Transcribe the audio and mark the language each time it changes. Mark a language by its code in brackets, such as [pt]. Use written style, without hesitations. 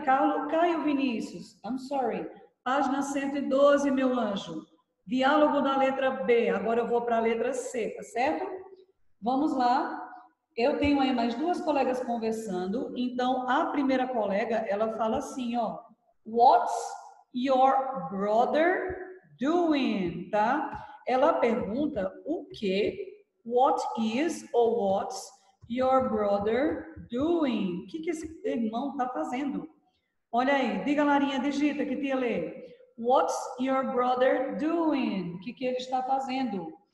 [pt] Caio Vinícius. [en] I'm sorry. [pt] Página 112, meu anjo. Diálogo da letra B. Agora eu vou para a letra C, tá certo? Vamos lá. Eu tenho aí mais duas colegas conversando. Então, a primeira colega, ela fala assim, ó. [en] What's your brother doing? [pt] Tá? Ela pergunta o quê? [en] What is [pt] ou [en] what's your brother doing? [pt] O que que esse irmão tá fazendo? Olha aí. Diga, Larinha, digita que tia lê. [en] What's your brother doing? [pt] O que que ele está fazendo?